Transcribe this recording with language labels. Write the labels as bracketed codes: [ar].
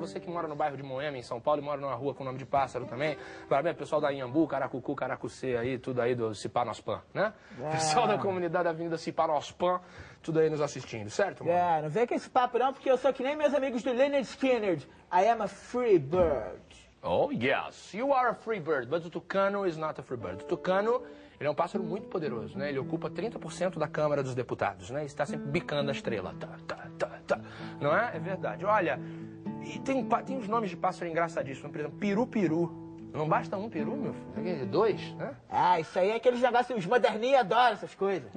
[pt] Você que mora no bairro de Moema, em São Paulo, e mora numa rua com o nome de pássaro também. Parabéns, pessoal da Inhambu, Caracucu, Caracucê aí, tudo aí do Cipá Nospan, né? É. Pessoal da comunidade da Avenida Cipá Nospan, tudo aí nos assistindo, certo, mano? É, não vem com esse papo não, porque eu sou que nem meus amigos do Lynyrd Skynyrd. [en] I am a free bird. Oh, yes, you are a free bird, but o tucano is not a free bird. [pt] O tucano... Ele é um pássaro muito poderoso, né? Ele ocupa 30% da Câmara dos Deputados, né? Está sempre bicando a estrela. Tá, tá, tá, tá. Não é? É verdade. Olha, e tem uns nomes de pássaro engraçadíssimos. Por exemplo, piru-piru. Não basta um peru, meu filho? Dois, né? Ah, isso aí é aqueles negócios, os moderninhos adoram essas coisas.